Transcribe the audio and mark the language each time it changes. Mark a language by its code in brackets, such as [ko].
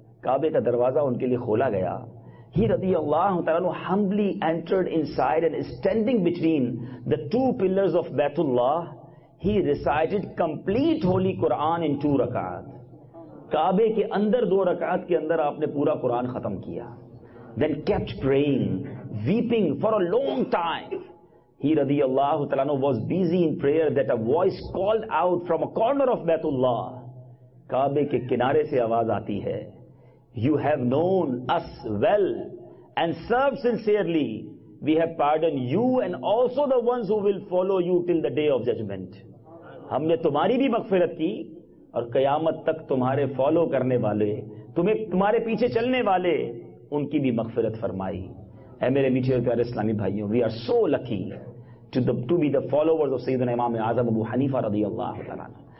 [ur] کعبے کا دروازہ ان کے لیے کھولا گیا. [en] He رضی اللہ تعالیٰ عنہ humbly entered inside and standing between the two pillars of Baitullah, he recited complete holy Quran in two rakat. [ur] کعبے کے اندر دو رکعت کے اندر آپ نے پورا قرآن ختم کیا. [en] Then kept praying, weeping for a long time. He رضی اللہ تعالیٰ عنہ was busy in prayer that a voice called out from a corner of بیت اللہ. [ur] کعبے کے کنارے سے آواز آتی ہے, [en] you have known us well and served sincerely. We have pardoned you and also the ones who will follow you till the day of judgment. [ur] ہم نے تمہاری بھی مغفرت کی اور قیامت تک تمہارے فالو کرنے والے, تمہارے پیچھے چلنے والے, ان کی بھی مغفرت فرمائی. اے میرے میٹھے اور پیارے اسلامی بھائیوں, [en] we are so lucky to be the followers of سیدنا امام اعظم ابو حنیفہ رضی اللہ تعالیٰ عنہ.